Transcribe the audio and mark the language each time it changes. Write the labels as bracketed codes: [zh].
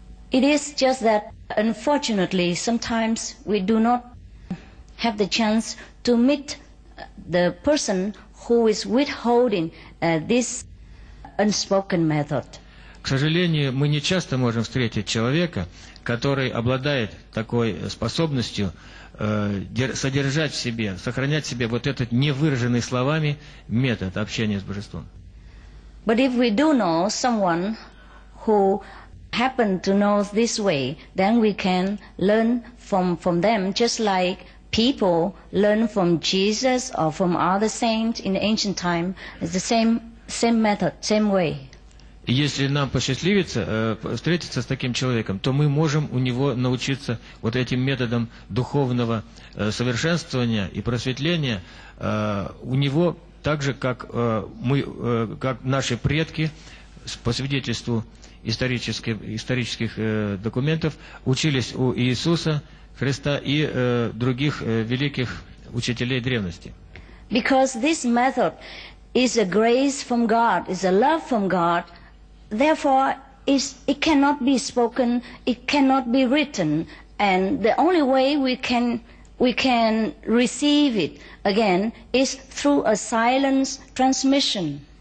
[en] It is just that, unfortunately, sometimes we do not have the chance to meet the person who is withholding this unspoken method. [ru] К сожалению, мы не часто можем встретить человека, который обладает такой способностью содержать в себе, сохранять в себе вот этот невыраженный словами метод общения с Божеством. [en] But if we do know someone who happen to know this way, then we can learn from them, just like people learn from Jesus or from other saints in ancient time. It's the same method, same way. [ru] Если нам посчастливится встретиться с таким человеком, то мы можем у него научиться вот этим методом духовного совершенствования и просветления у него так же, как мы, как наши предки по свидетельству исторических документов учились у Иисуса Христа и других великих учителей древности. [en] Because this method is a grace from God, is a love from God, therefore it cannot be spoken, it cannot be written, and the only way we can receive it again is through a silence transmission.